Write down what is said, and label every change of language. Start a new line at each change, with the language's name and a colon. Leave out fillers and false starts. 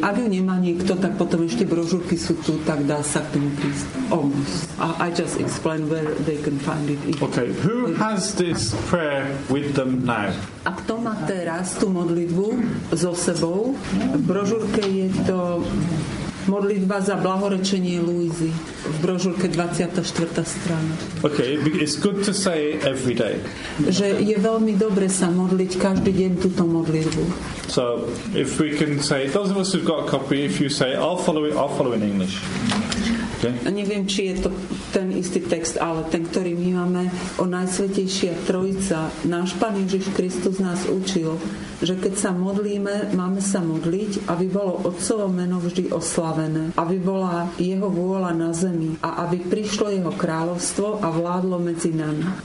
Slovak: Ak ju nemá niekto, tak potom ešte brožúrky sú tu, tak dá sa k tomu prísť.
English: Almost. I just explain where they can find it. Okay, who has this prayer with them now?
Slovak: A kto má teraz tú modlitbu so sebou? V brožúrke je to modlitba za blahorečenie Luizy v brožúrke 24. strana.
English: Okay, it's good to say it every day.
Slovak: Že je veľmi dobre sa modliť každý deň túto modlitbu.
English: So, if we can say, those of us who've got a copy, if you say, I'll follow in English. Okay.
Slovak: Neviem, či je to ten istý text, ale ten, ktorý my máme, o Najsvetejšia Trojica. Náš Pán Ježiš Kristus nás učil, že keď sa modlíme, máme sa modliť, aby bolo Otcovo meno vždy oslavené, aby bola Jeho vôľa na zemi a aby prišlo Jeho kráľovstvo a vládlo medzi nami.